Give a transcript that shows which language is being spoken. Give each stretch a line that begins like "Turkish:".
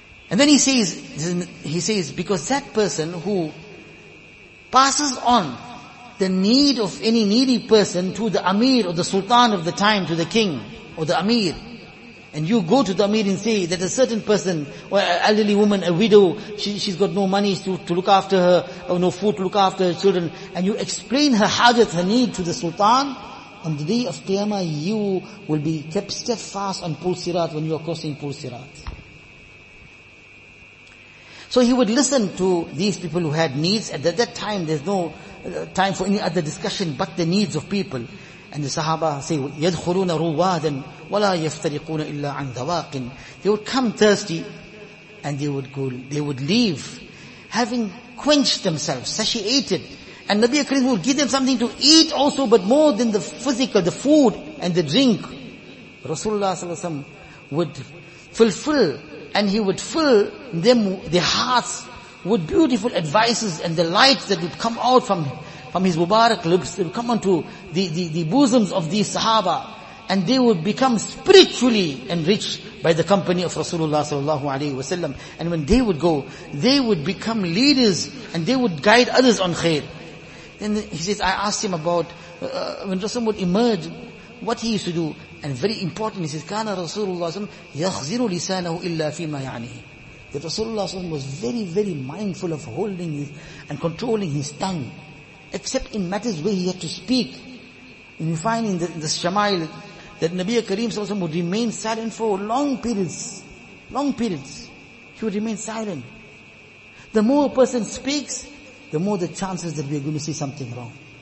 English: And then he says, because that person who passes on the need of any needy person to the Amir or the Sultan of the time, to the King or the Amir, and you go to the Amir and say that a certain person, or an elderly woman, a widow, she's got no money to look after her, or no food to look after her children, and you explain her hajat, her need to the Sultan, on the day of Qiyamah, you will be kept steadfast on Pul Sirat when you are crossing Pul Sirat. So he would listen to these people who had needs. At that time, there's no time for any other discussion but the needs of people. And the sahaba say,
Arabic: يَدْخُلُونَ رُوَّادًا وَلَا يَفْتَرِقُونَ إِلَّا عَنْ ذَوَاقٍ.
English: They would come thirsty and they would leave, having quenched themselves, satiated. And Nabi Akram would give them something to eat also, but more than the physical, the food and the drink. Rasulullah sallallahu alaihi wasallam would fulfill, and he would fill them, their hearts, with beautiful advices and the light that would come out from him, from his Mubarak lips, they would come onto the bosoms of these sahaba, and they would become spiritually enriched by the company of Rasulullah sallallahu alaihi wasallam. And when they would go, they would become leaders and they would guide others on khair. Then he says, I asked him about when Rasulullah would emerge, what he used to do. And very important, he says,
Arabic: كَانَ رَسُولُ اللَّهِ يَخْزِرُ لِسَانَهُ إِلَّا فِي مَا يَعْنِهِ.
English: That Rasulullah was very, very mindful of holding his and controlling his tongue, except in matters where he had to speak. And you find in the Shamail that Nabi Kareem would remain silent for long periods. He would remain silent. The more a person speaks, the more the chances that we are going to see something wrong.